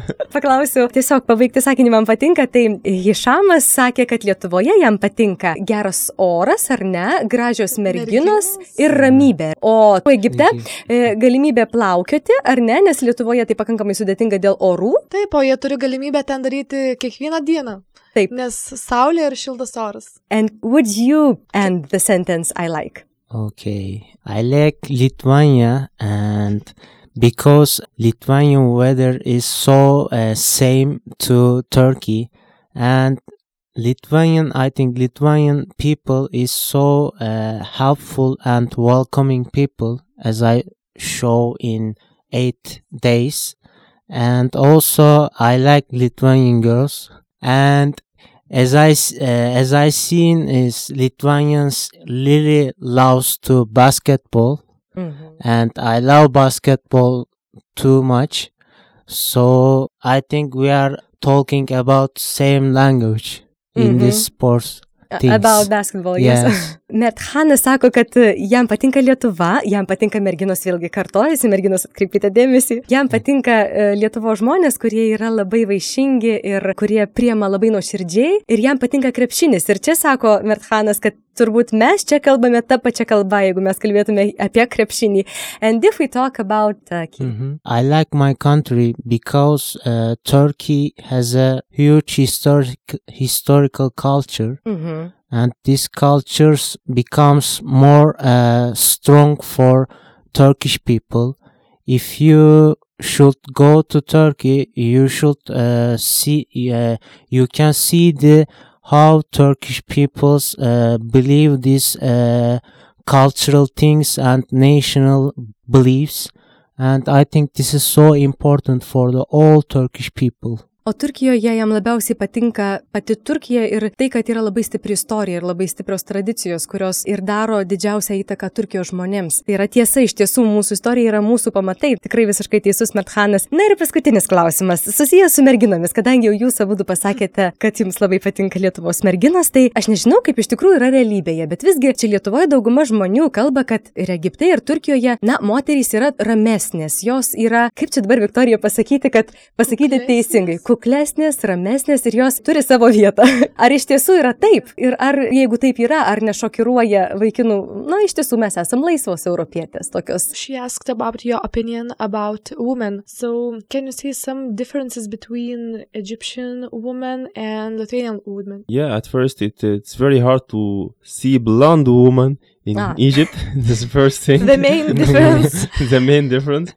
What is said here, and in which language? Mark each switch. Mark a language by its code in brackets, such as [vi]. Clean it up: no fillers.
[lt] Paklausiu, tiesiog pabaigti sakinį man patinka, tai Hišamas sakė, kad Lietuvoje jam patinka geras oras, ar ne, gražios merginos ir ramybė. O Egipte galimybė plaukioti, ar ne, nes Lietuvoje tai pakankamai sudėtinga dėl orų. Taip, o jie turi galimybę ten daryti kiekvieną dieną. Taip. Nes saulė ir šildas oras. [en] And would you end the sentence I like? Okay, I like Lithuania and because Lithuanian weather is so same to Turkey and Lithuanian, I think Lithuanian people is so helpful and welcoming people as I show in 8 days. And also I like Lithuanian girls and As I seen is Lithuanians really loves to basketball and I love basketball too much. So I think we are talking about same language in this sports. About basketball, yes. [lt] Net Hanas sako, kad jam patinka Lietuva, jam patinka merginos, vėlgi kartojasi, merginos atkreipite dėmesį. Jam patinka Lietuvos žmonės, kurie yra labai vaišingi ir kurie priema labai nuoširdžiai. Ir jam patinka krepšinis. Ir čia sako Net Hanas, kad turbūt mes čia kalbame tą pačią kalbą, jeigu mes kalbėtume apie krepšinį. [en] And if we talk about Turkey. I like my country because Turkey has a huge historical culture. And these cultures becomes more strong for Turkish people. If you should go to Turkey, you should see the how Turkish peoples believe these cultural things and national beliefs. And I think this is so important for the all Turkish people. [lt] O Turkijoje jam labiausiai patinka pati Turkija ir tai, kad yra labai stipri istorija ir labai stiprios tradicijos, kurios ir daro didžiausią įtaką Turkijos žmonėms. Tai yra tiesa, iš tiesų mūsų istorija yra mūsų pamatai. Tikrai visiškai teisus Merthanas. Na ir paskutinis klausimas. Susijęs su merginomis, kadangi jau jūs abudu pasakėte, kad jums labai patinka Lietuvos merginos, tai aš nežinau, kaip iš tikrųjų yra realybėje, bet visgi čia Lietuvoje dauguma žmonių kalba, kad ir Egipte, ir Turkijoje, na, moterys yra ramesnės. Jos yra, kaip čia dabar Viktorija pasakyti, kad pasakyti teisingai. Kuklesnės, ramesnės ir jos turi savo vietą. Ar iš tiesų yra taip? Ir ar jeigu taip yra, ar nešokiruoja vaikinų? Na, iš tiesų mes esam laisvos europietės tokios. [en] She asked about your opinion about women. So, can you see some differences between Egyptian women and Lithuanian women? Yeah, at first it's very hard to see blonde woman in Egypt. This is the first thing. The main difference. The main difference.